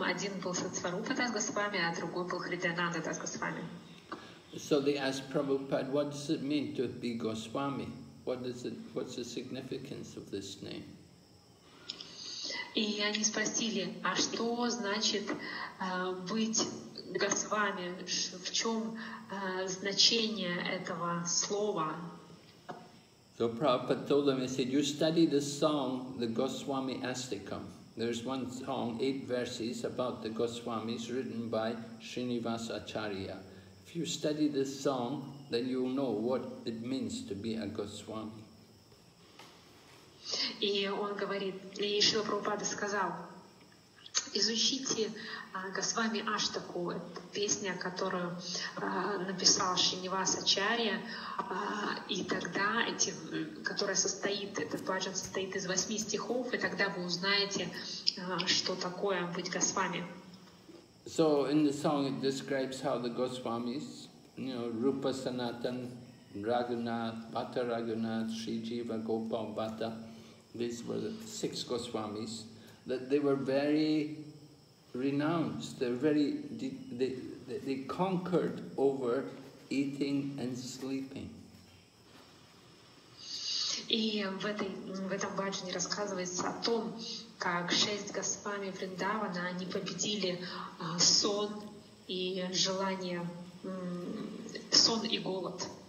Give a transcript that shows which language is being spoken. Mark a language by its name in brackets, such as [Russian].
[Russian] Один был Сасварупа Дас Госвами, а другой был Хридаянанда Дас Госвами. [English] So they asked Prabhupada, what does it mean to be Goswami? What's the significance of this name? [Russian] И они спросили, а что значит быть Госвами, в чем значение этого слова? [English] So Prabhupada told them, he said, you study the song, the Goswami Astikam. There's one song, 8 verses about the Goswamis written by Srinivas Acharya. If you study this song, then you'll know what it means to be a Goswami. [Russian] И он говорит, и Шрила Прабхупада сказал, изучите Госвами Аштаку, песня, которую написал Шринивас Ачарья, и тогда, которая состоит, этот баджан состоит из 8 стихов, и тогда вы узнаете, что такое быть Госвами. [English] So in the song it describes how the Goswamis, you know, Rupa Sanatan, Raghunath, Bhatta Raghunath, Sri Jiva, Gopal, Bhatta, these were the 6 Goswamis, that they were very renounced, they conquered over eating and sleeping. [Russian] И в этом баджане рассказывается о том, как 6 Госвами Вриндавана, они победили сон и желание, сон и голод.